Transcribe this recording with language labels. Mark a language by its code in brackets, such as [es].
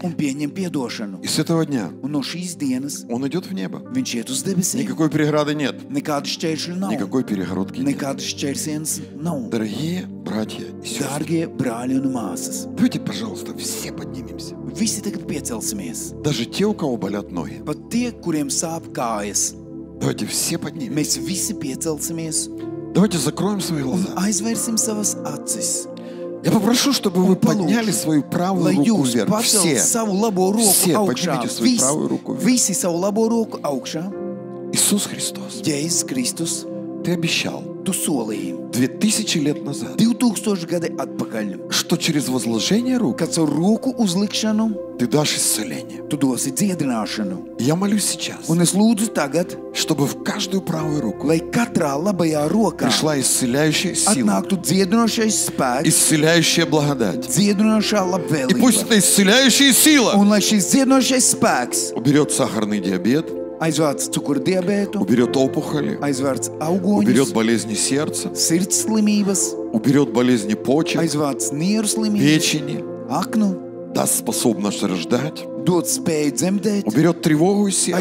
[lv] Un pieņem piedošanu. [ru] И с этого дня. [lv] Un no šīs dienas. [ru] Он идет в небо. [lv] Viņš iet uz debesīm. [ru] Никакой преграды нет. [lv] Nekādu šķēršļu nav. [ru] Никакой перегородки нет. [lv] Nekādu šķērsienas nav. [ru] Дорогие братья и сестры. Дорогие брали [lv] un māsas. [ru] Давайте, пожалуйста, все поднимемся. [lv] Visi tagad piecelsimies. [ru] Даже те, у кого болят ноги. [lv] Pat tie, kuriem sāp kājas. [ru] Давайте все поднимемся. [lv] Mēs visi piecelsimies. [ru] Давайте закроем свои глаза. [lv] Aizvērsim savas acis. [ru] Я попрошу, чтобы вы подняли свою правую руку вверх. Все. [lv] Savu labo roku [ru] все поднимите свою [lv] visi, [ru] правую руку вверх. [lv] Visi savu labo roku augšā. [ru] Иисус Христос. [lv] Jēzus Kristus. [ru] Ты обещал. [lv] Tu solīji. [ru] 2000 лет назад. [lv] 2000 gadi atpakaļ. [ru] Что через возложение рук. [lv] Kad savu roku uzlikšanu. [ru] Ты дашь исцеление. [lv] Tu dosi dziedināšanu. [ru] Я молюсь сейчас. [lv] Un es lūdzu tagad. [ru] Чтобы в каждую правую руку. [lv] Lai katrā labajā rokā. [ru] Пришла исцеляющая сила. [lv] Atnāktu dziedinošais spēks. [ru] Исцеляющая благодать. [lv] Dziedinošā labvēlība. [ru] И пусть эта исцеляющая сила. [lv] Un lai šis dziedinošais spēks. [ru] Уберет сахарный диабет. [lv] Aizvērts cukura diabētu. [ru] Уберет опухоли. [lv] Aizvērts auguņus. [ru] Уберет болезни сердца. [lv] Sirds slimības. [ru] Уберет болезни почек. [lv] Aizvērts nieru slimības. [ru] Печени. [lv] Aknu. [ru] Даст способность рождать. [lv] Dod spēju dzemdēt. [ru] Уберет тревогу из сердца.